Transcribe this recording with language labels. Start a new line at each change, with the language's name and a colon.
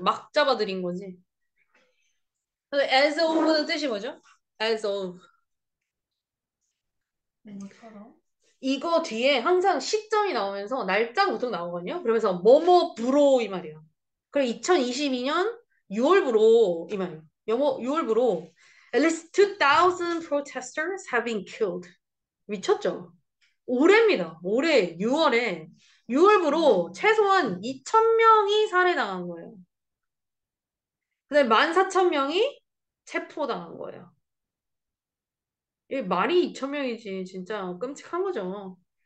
Korean: 막 잡아들인 거지. 근데 as of는 뜻이 뭐죠? as of. 이거 뒤에 항상 시점이 나오면서 날짜가 보통 나오거든요. 그러면서 뭐뭐 브로 이 말이에요. 그리고 2022년 6월부로 이 말이에요. 6월부로
English: at least 2,000 protesters have been killed.
Korean: 미쳤죠? 올해입니다. 올해 6월에 6월부로 최소한 2,000명이 살해당한 거예요. 근데 14,000명이 체포당한 거예요. 이게 말이 2,000명이지, 진짜 끔찍한 거죠.